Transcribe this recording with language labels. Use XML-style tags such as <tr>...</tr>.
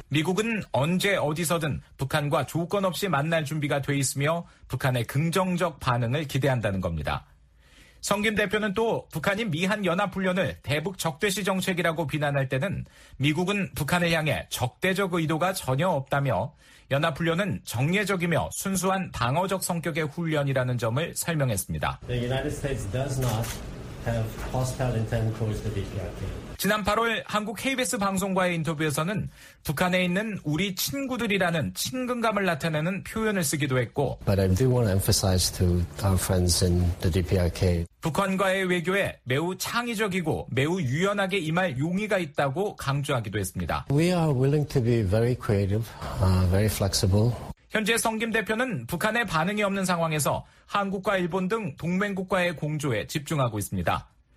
<ko>미국은 언제 어디서든 북한과 조건 없이 만날 준비가 돼 있으며 북한의 긍정적 반응을 기대한다는 겁니다. 성김 대표는 또 북한이 미한연합훈련을 대북 적대시 정책이라고 비난할 때는 미국은 북한을 향해 적대적 의도가 전혀 없다며 연합훈련은 정례적이며 순수한 방어적 성격의 훈련이라는 점을 설명했습니다.</ko> <en>The United States does not have hostile intent towards the DPRK.</en> <ko>지난 8월 한국 KBS 방송과의 인터뷰에서는 북한에 있는 우리 친구들이라는 친근감을 나타내는 표현을 쓰기도 했고</ko> <en>But I do want to emphasize to our friends in the DPRK.</en> <ko>북한과의 외교에 매우 창의적이고 매우 유연하게 임할 용의가 있다고 강조하기도 했습니다.</ko> <en>We are willing to be very creative, very flexible.</en> <ko>현재 성김 대표는 북한의 반응이 없는 상황에서 한국과 일본 등 동맹국과의 공조에 집중하고 있습니다.</ko>